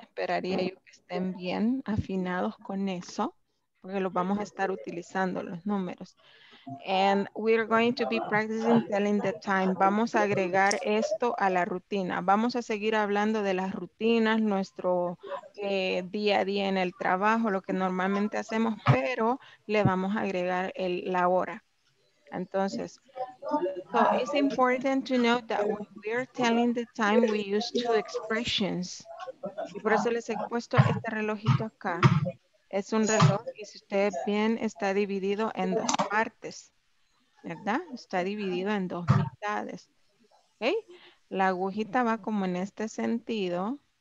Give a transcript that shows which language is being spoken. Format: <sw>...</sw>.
<es>Esperaría yo que estén bien afinados con eso, porque los vamos a estar utilizando los números.</es> <en>And we're going to be practicing telling the time.</en> <es>Vamos a agregar esto a la rutina. Vamos a seguir hablando de las rutinas, nuestro día a día en el trabajo, lo que normalmente hacemos, pero le vamos a agregar la hora. Entonces,</es> <en>so it's important to know that when we're telling the time, we use two expressions.</en> <es>Y por eso les he puesto este relojito acá. Es un reloj y si ustedes ven, está dividido en dos partes, ¿verdad? Está dividido en dos mitades, ¿ok? La agujita va como en este sentido.</es>